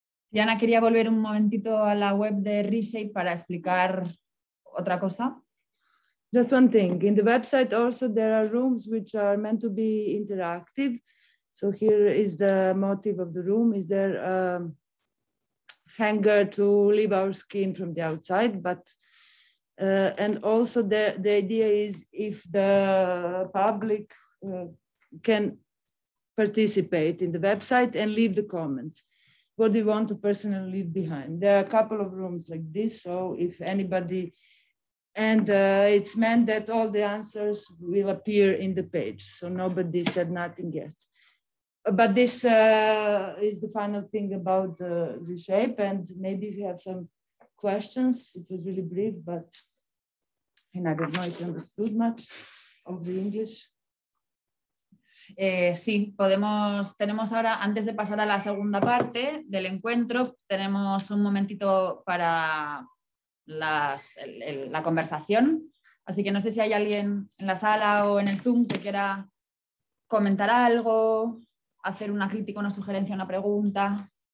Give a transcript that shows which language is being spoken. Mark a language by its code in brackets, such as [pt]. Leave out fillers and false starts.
[es] Diana, quería volver un momentito a la web de Reshape para explicar otra cosa. [en] Just one thing, in the website also there are rooms which are meant to be interactive. So here is the motif of the room. Is there a hanger to leave our skin from the outside? But and also the idea is if the public can participate in the website and leave the comments. What do you want to personally leave behind? There are a couple of rooms like this, so if anybody and it's meant that all the answers will appear in the page. So nobody said nothing yet. But this is the final thing about the reshape. And maybe if you have some questions, it was really brief, but I don't know if you understood much of the English. [es] Sí, podemos, tenemos ahora, antes de pasar a la segunda parte del encuentro, tenemos un momentito para la conversación. Así que no sé si hay alguien en la sala o en el Zoom que quiera comentar algo, hacer una crítica, una sugerencia, una pregunta.